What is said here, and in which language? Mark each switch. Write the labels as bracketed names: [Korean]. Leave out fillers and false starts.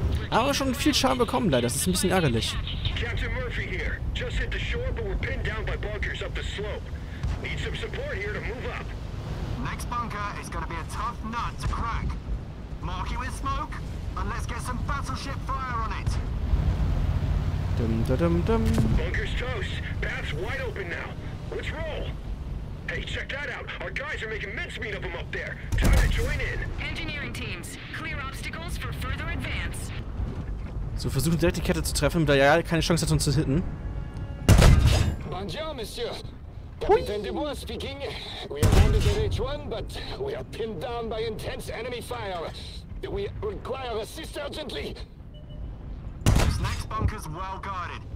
[German] Aber schon viel Schaden bekommen, leider. Das ist ein bisschen ärgerlich. Captain Murphy hier. [English] Just hit the shore, but we're pinned down by bunkers up the slope. Need some support here to move up. Next bunker is gonna be a tough nut to crack. Mark you with smoke, and let's get some battleship fire on it. Dum da dum dum. Bunker's toast. Path's wide open now. Let's roll. Hey, check that out. Our guys are making mincemeat of them up there. Time to join in. Engineering teams, clear obstacles for further advance. [German] So, versuchen direkt die Kette zu treffen, da ja keine Chance hat, uns zu hitten. [French] Bonjour, Monsieur. [English] Captain Dubois speaking. We are on the H1, but we are pinned down by intense enemy fire. We require assist urgently. This next bunker's well guarded.